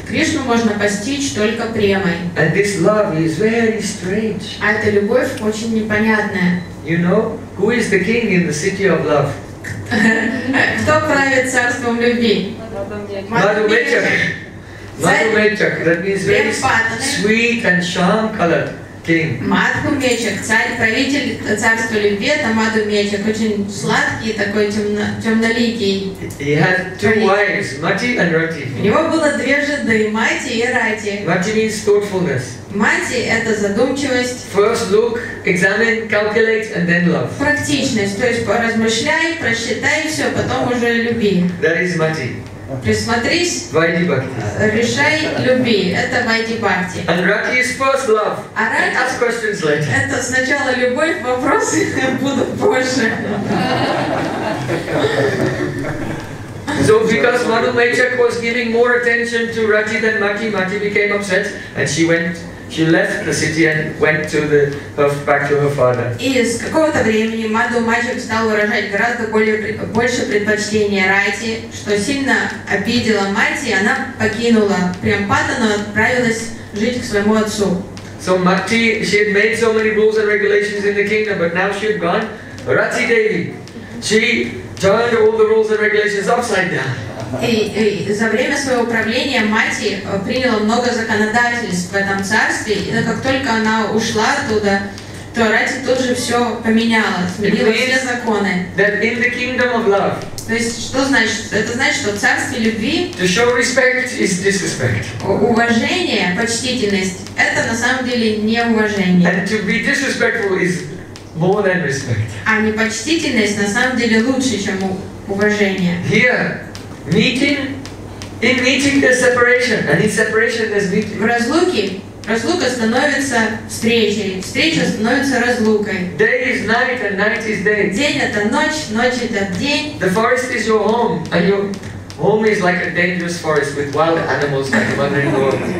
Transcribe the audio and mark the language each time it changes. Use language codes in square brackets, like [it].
[ru] Кришну можно постичь только премой. [en] And this love is very strange. [ru] А эта любовь очень непонятная. [en] You know, who is the king in the city of love? [ru] Кто правит царством любви? [en] Madhumechak. Madhumechak, that means very sweet and charm colored. [ru] Мадху Мечек, царь-правитель царства любви, это Мадху Мечек, очень сладкий, такой темноликий. [en] He had two wives, Mati and Rati. [ru] У него было две жены, Мати и Рати. [en] Mati means thoughtfulness. [ru] Мати – это задумчивость. [en] First look, examine, calculate, and then love. [ru] Практичность, то есть поразмышляй, просчитай все, потом уже люби. [en] That is Mati. [ru] Присмотрись, [sa] Vaidibhakti. [ru] Решай любви. Это Vaidibhakti. [en] And Rati is first love. [ru] А Rati, [en] ask questions later. [ru] Это сначала любовь, вопросы будут позже. [en] So because Madhumechak was giving more attention to Rati than Mati, Mati became upset and she left the city and went to back to her father. [ru] И с какого-то времени Мадхумачак стал выражать гораздо больше предпочтения Рати, что сильно обидела мать, и она покинула Прямпатану, отправилась жить к своему отцу. [en] So Mati, she had made so many rules and regulations in the kingdom, but now she had gone. Rati Devi, she turned all the rules and regulations upside down. [ru] И за время своего правления Мати приняла много законодательств в этом царстве, и как только она ушла оттуда, то Рати тут же все поменяла, сменила все законы. [en] That in the kingdom of love, [ru] то есть что значит? Это значит, что в царстве любви [en] to show respect is disrespect. [ru] Уважение, почтительность – это на самом деле неуважение. [en] And to be disrespectful is more than respect. [ru] А непочтительность на самом деле лучше, чем уважение. [en] Here, meeting, in meeting there's separation, and in separation there's meeting. [ru] В разлуке разлука становится встречей, встреча становится разлукой. [en] Day is night and night is day. [ru] День это ночь, ночь это день. [en] The forest is your home, and you Home is like a dangerous forest with wild animals like the wandering world.